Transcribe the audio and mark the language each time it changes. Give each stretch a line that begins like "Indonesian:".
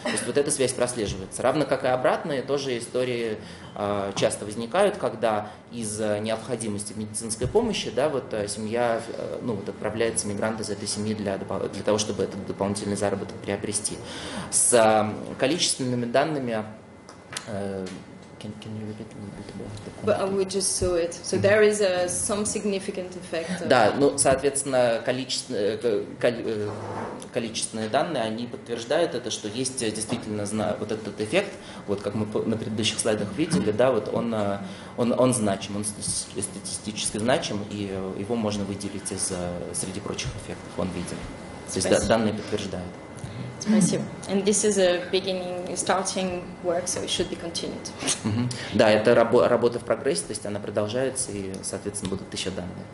Russian: То есть вот эта связь прослеживается. Равно как и обратные, тоже истории часто возникают, когда из-за необходимости медицинской помощи, да, вот семья, ну, вот отправляется мигрант из этой семьи для того, чтобы этот дополнительный заработок приобрести. С количественными данными...
English: Can you repeat a little bit about the point? But we just saw it. So mm-hmm. there is some significant effect.
Russian: Да, ну, соответственно, количественные данные, они подтверждают это, что есть действительно вот этот эффект, вот как мы на предыдущих слайдах видели, да, вот он значим, он статистически значим, и его можно выделить из среди прочих эффектов, он виден. То есть данные подтверждают. Спасибо.
English: And this is a beginning, starting work, so it should be continued. Mm-hmm.
Russian: Да, это работа в прогрессе, то есть она продолжается, и, соответственно, будут еще данные.